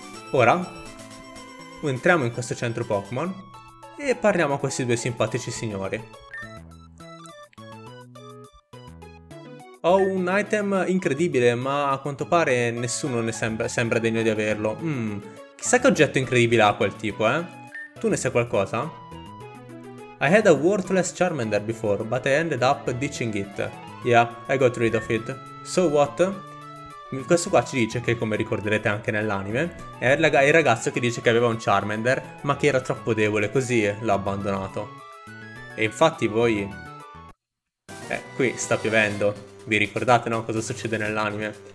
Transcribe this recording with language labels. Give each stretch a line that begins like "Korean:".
Italian: Ora entriamo in questo centro Pokémon e parliamo a questi due simpatici signori. Ho un item incredibile, ma a quanto pare nessuno ne sembra degno di averlo. Chissà che oggetto incredibile ha quel tipo, eh? Tu ne sai qualcosa?
English: I had a worthless Charmander before, but I ended up ditching it. Yeah, I got rid of it. So what?
Italian: Questo qua ci dice che, come ricorderete anche nell'anime, è il ragazzo che dice che aveva un Charmander, ma che era troppo debole, così l'ha abbandonato. E infatti voi... qui sta piovendo. Vi ricordate, no, cosa succede nell'anime?